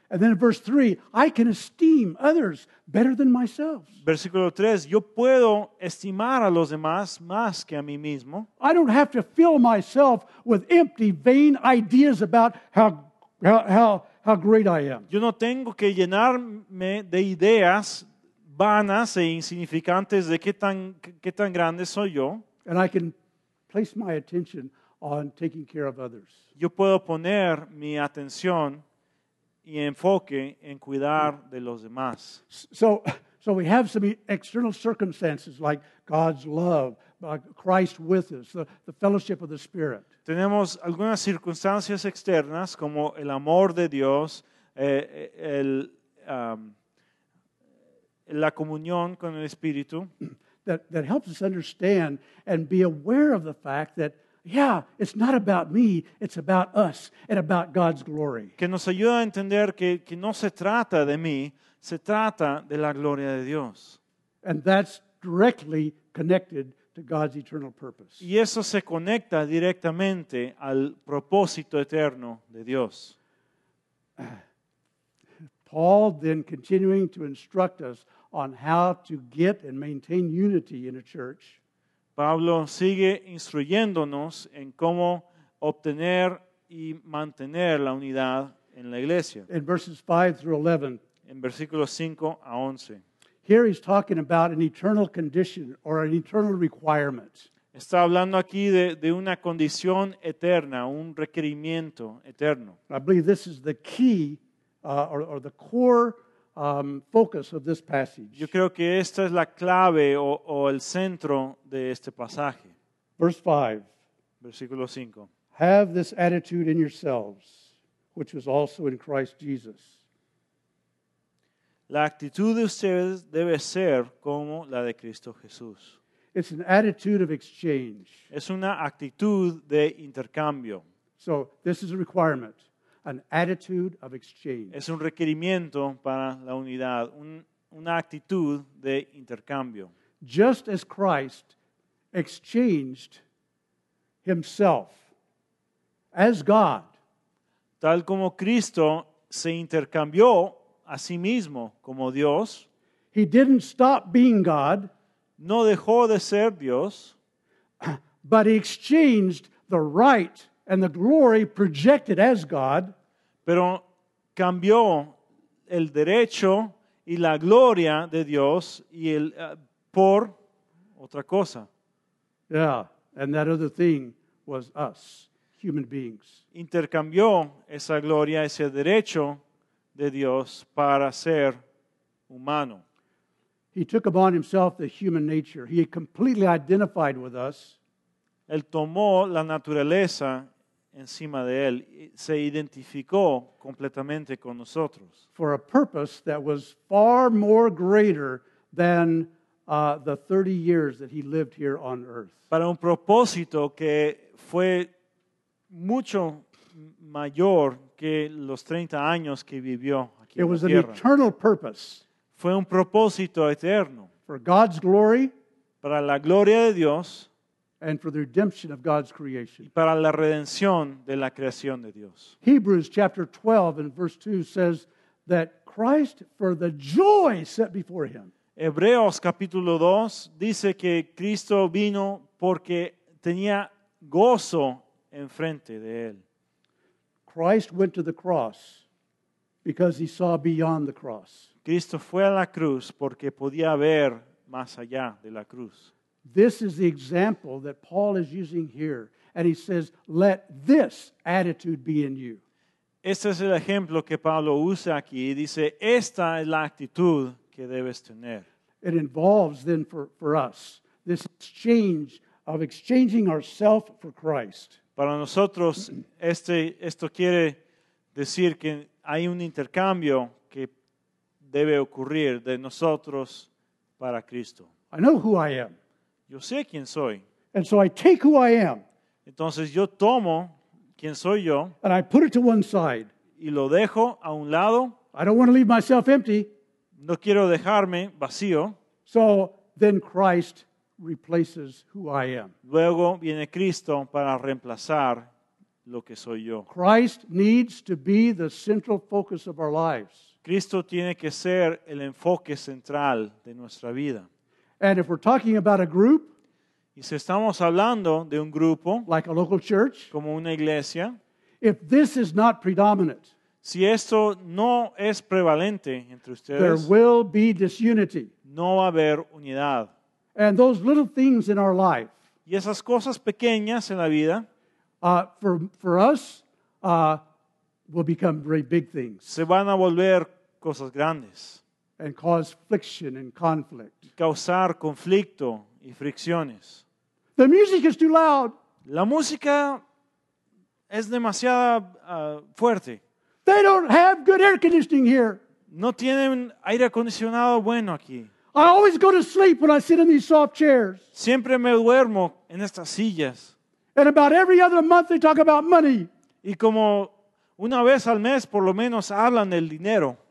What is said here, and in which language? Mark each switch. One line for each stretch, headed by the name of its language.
English: And then in verse 3, I can esteem others better than myself.
Spanish: Versículo 3, yo puedo estimar a los demás más que a mí mismo.
English: I don't have to fill myself with empty, vain ideas about how great I am.
Spanish: Yo no tengo que llenarme de ideas vanas e insignificantes de qué tan grande soy yo.
English: And I can place my attention on taking care of others.
Spanish: Yo puedo poner mi atención y enfoque en cuidar de los demás.
English: So we have some external circumstances like God's love, Christ with us, the fellowship of the Spirit.
Spanish: Tenemos algunas circunstancias externas como el amor de Dios, la comunión con el Espíritu.
English: That helps us understand and be aware of the fact that, yeah, it's not about me, it's about us and about God's glory.
Spanish: Que nos ayuda a entender que no se trata de mí, se trata de la gloria de Dios.
English: And that's directly connected to God's eternal purpose.
Spanish: Y eso se conecta directamente al propósito eterno de Dios.
English: Paul then continuing to instruct us on how to get and maintain unity in a church.
Spanish: Pablo sigue instruyéndonos en cómo obtener y mantener la unidad en la iglesia.
English: In verses 5 through 11.
Spanish: En versículos 5 a 11.
English: Here he's talking about an eternal condition or an eternal requirement.
Spanish: Está hablando aquí de una condición eterna, un requerimiento eterno.
English: I believe this is the key or the core focus of this passage.
Spanish: Yo creo que esta es la clave o el centro de este pasaje.
English: Verse 5.
Spanish: Versículo 5.
English: Have this attitude in yourselves, which was also in Christ Jesus.
Spanish: La actitud de ustedes debe ser como la de Cristo Jesús.
English: It's an attitude of exchange.
Spanish: Es una actitud de intercambio.
English: So, this is a requirement. An attitude of exchange.
Spanish: Es un requerimiento para la unidad. Una actitud de intercambio.
English: Just as Christ exchanged himself as God.
Spanish: Tal como Cristo se intercambió a sí mismo como Dios.
English: He didn't stop being God.
Spanish: No dejó de ser Dios.
English: But he exchanged the right and the glory projected as God.
Spanish: Pero cambió el derecho y la gloria de Dios y el por otra cosa.
English: Yeah, and that other thing was us, human beings.
Spanish: Intercambió esa gloria, ese derecho de Dios para ser humano.
English: He took upon himself the human nature. He completely identified with us.
Spanish: Él tomó la naturaleza encima de él, se identificó completamente con nosotros.
English: For a purpose that was far more greater than the 30 years that he lived here on earth.
Spanish: Para un propósito que fue mucho mayor que los 30 años que vivió aquí en la tierra.
English: It was an eternal purpose.
Spanish: Fue un propósito eterno.
English: For God's glory.
Spanish: Para la gloria de Dios.
English: And for the redemption of God's creation.
Spanish: Y para la redención de la creación de Dios.
English: Hebrews chapter 12 and verse 2 says that Christ for the joy set before him.
Spanish: Hebreos capítulo 2 dice que Cristo vino porque tenía gozo enfrente de él.
English: Christ went to the cross because he saw beyond the cross.
Spanish: Cristo fue a la cruz porque podía ver más allá de la cruz.
English: This is the example that Paul is using here. And he says, let this attitude be in you.
Spanish: Este es el ejemplo que Pablo usa aquí. Dice, esta es la actitud que debes tener.
English: It involves then for us this exchange of exchanging ourselves for Christ.
Spanish: Para nosotros, esto quiere decir que hay un intercambio que debe ocurrir de nosotros para Cristo.
English: I know who I am.
Spanish: Yo sé quién soy.
English: And so I take who I am.
Spanish: Entonces yo tomo quién soy yo.
English: And I put it to one side.
Spanish: Y lo dejo a un lado.
English: I don't want to leave myself empty.
Spanish: No quiero dejarme vacío.
English: So then Christ replaces who I am.
Spanish: Luego viene Cristo para reemplazar lo que soy yo.
English: Christ needs to be the central focus of our lives.
Spanish: Cristo tiene que ser el enfoque central de nuestra vida.
English: And if we're talking about a group,
Spanish: y si estamos hablando de un grupo,
English: like a local church,
Spanish: como una iglesia,
English: if this is not predominant,
Spanish: si esto no es prevalente entre ustedes,
English: there will be disunity.
Spanish: No va a haber unidad.
English: And those little things in our life,
Spanish: y esas cosas pequeñas en la vida,
English: for us, will become very big things.
Spanish: Se van a volver cosas grandes.
English: And cause friction and conflict.
Spanish: Causar conflicto y fricciones.
English: The music is too loud.
Spanish: La música es demasiado fuerte.
English: They don't have good air conditioning here.
Spanish: No tienen aire acondicionado bueno aquí.
English: I always go to sleep when I sit in these soft chairs.
Spanish: Siempre me duermo en estas sillas.
English: And about every other month they talk about money.
Spanish: Y como una vez al mes por lo menos hablan del dinero.